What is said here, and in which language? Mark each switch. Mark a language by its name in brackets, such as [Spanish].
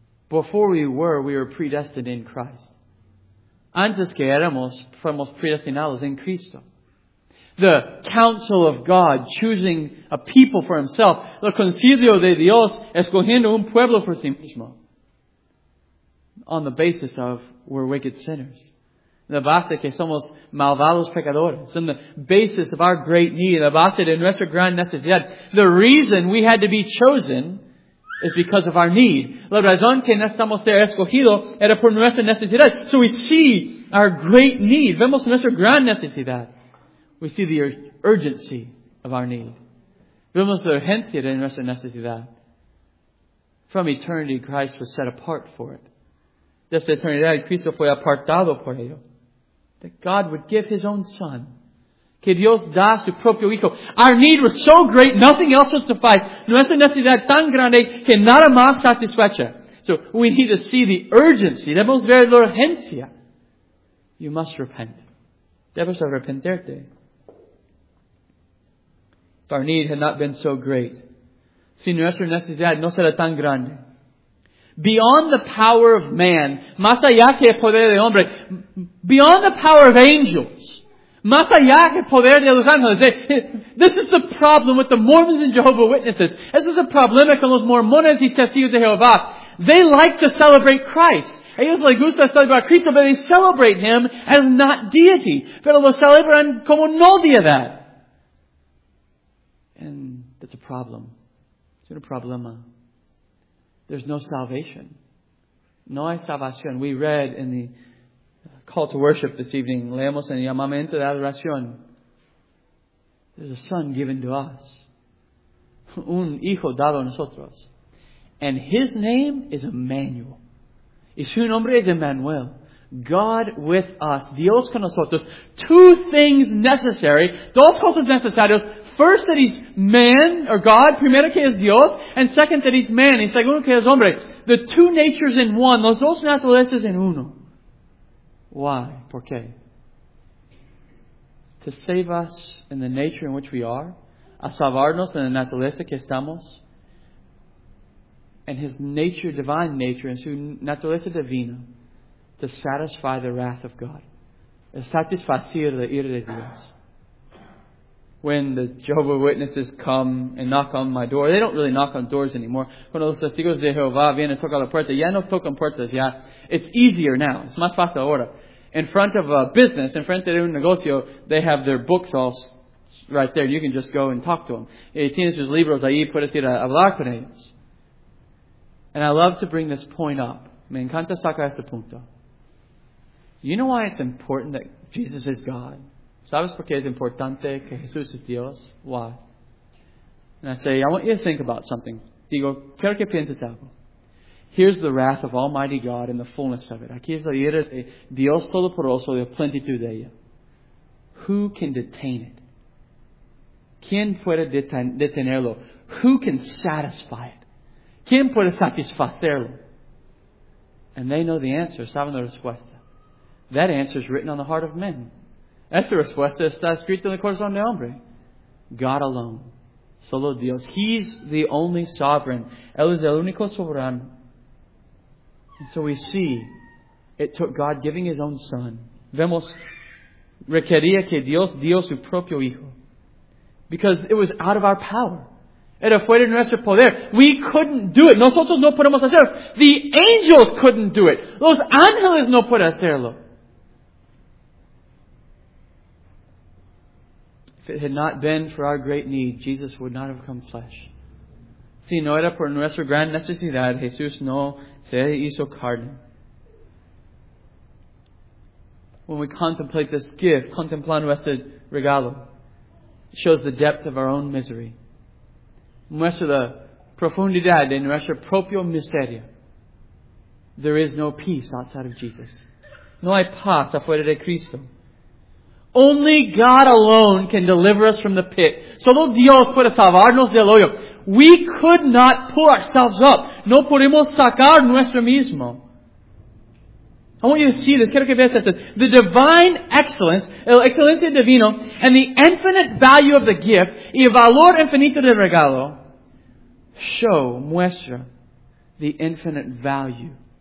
[English] Before we were predestined in Christ. [Spanish] Antes que éramos, fuimos predestinados en Cristo. [English] The counsel of God, choosing a people for Himself. [Spanish] El concilio de Dios, escogiendo un pueblo por sí mismo. [English] On the basis of, we're wicked sinners. [Spanish] La base que somos malvados pecadores. [English] And the basis of our great need, [Spanish] la base de nuestra gran necesidad. [English] The reason we had to be chosen is because of our need. [Spanish] La razón que necesitamos ser escogido era por nuestra necesidad. [English] So we see our great need. [Spanish] Vemos nuestra gran necesidad. [English] We see the urgency of our need. [Spanish] Vemos la urgencia de nuestra necesidad. [English] From eternity, Christ was set apart for it. [Spanish] Desde eternidad, Cristo fue apartado por ello. [English] That God would give His own Son. [Spanish] Que Dios da su propio Hijo. [English] Our need was so great, nothing else would suffice. [Spanish] Nuestra necesidad tan grande que nada más satisfecha. [English] So we need to see the urgency. [Spanish] Debemos ver la urgencia. [English] You must repent. [Spanish] Debes arrepentirte. [English] If our need had not been so great, [Spanish] si nuestra necesidad no será tan grande, [English] beyond the power of man, [Spanish] más allá que el poder de hombre, [English] beyond the power of angels, [Spanish] más allá que el poder de los ángeles, [English] this is the problem with the Mormons and Jehovah Witnesses. This is a [Spanish] problema con los mormones y testigos de Jehová. [English] They like to celebrate Christ. [Spanish] Ellos les gusta celebrar a Cristo, [English] but they celebrate Him as not deity. [Spanish] Pero lo celebran como no deidad. [English] And that's a problem. It's a problema. There's no salvation. [Spanish] No hay salvación. [English] We read in the call to worship this evening. [Spanish] Leemos en el llamamiento de adoración. [English] There's a Son given to us. [Spanish] Un Hijo dado a nosotros. [English] And His name is Emmanuel. [Spanish] Y su nombre es Emmanuel. [English] God with us. [Spanish] Dios con nosotros. [English] Two things necessary. [Spanish] Dos cosas necesarias. [English] First, that He's man, or God. [Spanish] Primero, que es Dios. [English] And second, that He's man. [Spanish] Y segundo, que es hombre. [English] The two natures in one. [Spanish] Los dos naturalezas en uno. [English] Why? [Spanish] ¿Por qué? [English] To save us in the nature in which we are. [Spanish] A salvarnos en la naturaleza que estamos. [English] And His nature, divine nature, [Spanish] en su naturaleza divina. [English] To satisfy the wrath of God. [Spanish] Es satisfacer la ira de Dios. [English] When the Jehovah Witnesses come and knock on my door, they don't really knock on doors anymore. [Spanish] Cuando los testigos de Jehová vienen a tocar la puerta, ya no tocan puertas, ya. [English] It's easier now. [Spanish] Es más fácil ahora. [English] In front of a business, in front of [Spanish] un negocio, [English] they have their books all right there. You can just go and talk to them. [Spanish] Y tienes sus libros ahí, puedes ir a hablar con ellos. [English] And I love to bring this point up. [Spanish] Me encanta sacar este punto. [English] You know why it's important that Jesus is God? [Spanish] ¿Sabes por qué es importante que Jesús es Dios? [English] Why? And I say, I want you to think about something. [Spanish] Digo, quiero que pienses algo. [English] Here's the wrath of Almighty God and the fullness of it. [Spanish] Aquí es la ira de Dios Todopoderoso y la plenitud de ella. [English] Who can detain it? [Spanish] ¿Quién puede detenerlo? [English] Who can satisfy it? [Spanish] ¿Quién puede satisfacerlo? [English] And they know the answer. [Spanish] ¿Saben la respuesta? [English] That answer is written on the heart of men. [Spanish] Esa respuesta está escrita en el corazón de hombre. [English] God alone. [Spanish] Solo Dios. [English] He's the only sovereign. [Spanish] Él es el único soberano. [English] And so we see it took God giving His own Son. [Spanish] Vemos, requería que Dios dio su propio Hijo. [English] Because it was out of our power. [Spanish] Era fuera de nuestro poder. [English] We couldn't do it. [Spanish] Nosotros no podemos hacerlo. [English] The angels couldn't do it. [Spanish] Los ángeles no pueden hacerlo. [English] If it had not been for our great need, Jesus would not have come flesh. [Spanish] Si no era por nuestra gran necesidad, Jesús no se hizo carne. [English] When we contemplate this gift, [Spanish] contemplando este regalo, [English] it shows the depth of our own misery. [Spanish] Muestra la profundidad de nuestra propia miseria. [English] There is no peace outside of Jesus. [Spanish] No hay paz afuera de Cristo. [English] Only God alone can deliver us from the pit. [Spanish] Solo Dios puede salvarnos del hoyo. [English] We could not pull ourselves up. [Spanish] No podemos sacar nuestro mismo. [English] I want you to see this. [Spanish] Quiero que veas esto. [English] The divine excellence, [Spanish] el excelencia divino, [English] and the infinite value of the gift, [Spanish] y el valor infinito del regalo, [English] show, [Spanish] muestra, [English] the infinite value